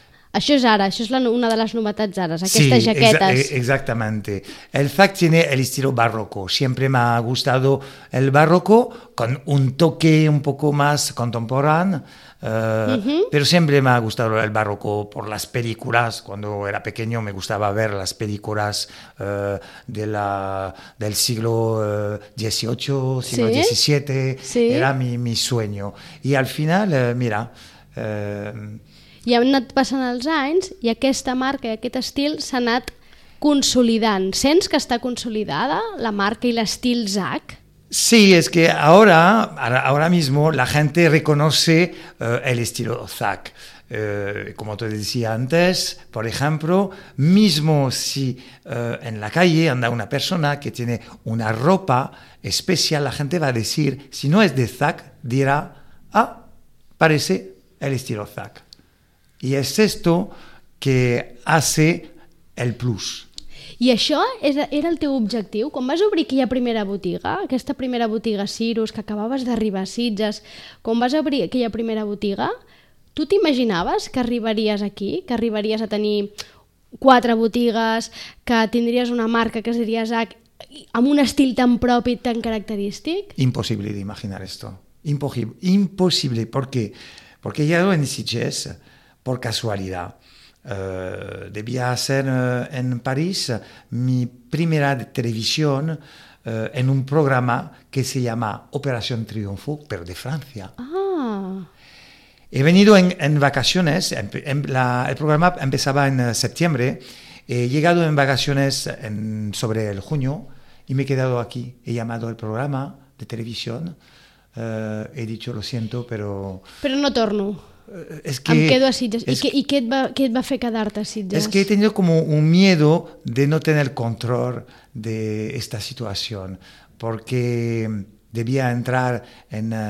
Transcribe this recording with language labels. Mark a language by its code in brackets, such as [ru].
[ca] Això és ara, això és una de les novetats ara, aquestes jaquetes. [es] Sí, exactamente. El Zac tiene el estilo barroco. Siempre me ha gustado el barroco con un toque un poco más contemporáneo. Pero siempre me ha gustado el barroco por las películas. Cuando era pequeño me gustaba ver las películas del siglo XVIII, siglo ¿sí? XVII. ¿Sí? Era mi sueño. Y al final, mira... [ca] I han anat passant els anys i aquesta marca i aquest estil s'ha anat consolidant. Sents que està consolidada la marca i l'estil Zac? [es] Sí, es que ahora mismo la gente reconoce el estilo Zac. Como te decía antes, por ejemplo, mismo si en la calle anda una persona que tiene una ropa especial, la gente va a decir, si no es de Zac, dirá, ah, parece el estilo Zac. Y es esto que hace el plus. [ca] I això era el teu objectiu? Quan vas obrir aquella primera botiga, aquesta primera botiga Cirrus, que acabaves d'arribar a Sitges, quan vas obrir aquella primera botiga, tu t'imaginaves que arribaries aquí, que arribaries a tenir quatre botigues, que tindries una marca que es diria Zac, amb un estil tan propi, tan característic? Impossible d'imaginar [es] esto. Impossible. ¿Por qué? Porque ya en Sitges, por casualidad, debía hacer en París mi primera televisión en un programa que se llama Operación Triunfo, pero de Francia. Ah. He venido en vacaciones, el programa empezaba en septiembre, he llegado en vacaciones sobre el junio y me he quedado aquí. He llamado al programa de televisión, he dicho lo siento, pero... Pero no torno. Es que, [ca] em quedo a Sitges. I què et va fer quedar-te a Sitges? [es] Es que he tenido como un miedo de no tener control de esta situación, porque debía entrar en...